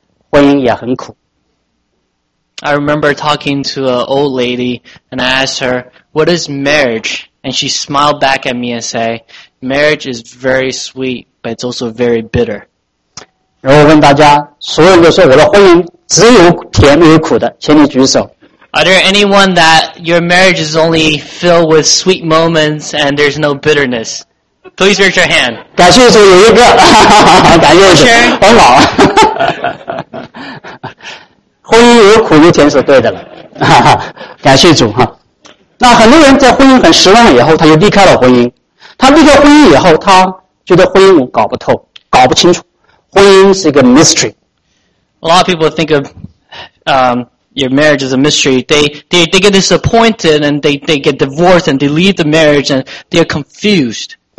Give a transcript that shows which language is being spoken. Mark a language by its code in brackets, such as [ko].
[zh] 我们在进入婚姻之前，我们对婚姻了解的太少，了解的不多。我问一个很年长的老妈妈，我说：“老妈妈，婚姻是什么？”她笑笑，她看看我，年轻人，婚姻很甜，婚姻也很苦。I [en] remember talking to an old lady, and I asked her, "What is marriage?" And she smiled back at me and said, "Marriage is very sweet, but it's also very bitter." [zh] 然后我问大家，所有人都说我的婚姻只有甜没有苦的，请你举手。 [en] Are there anyone that your marriage is only filled with sweet moments and there's no bitterness? Please raise your hand. [zh] 感谢主有一个，感谢主，很老。婚姻有苦有甜是对的了，感谢主哈。那很多人在婚姻很失望以后，他就离开了婚姻。他离开婚姻以后，他觉得婚姻搞不透，搞不清楚。婚姻是一个 mystery. [en] A lot of people think of your marriage as a mystery. They get disappointed and they get divorced and they leave the marriage and they are confused.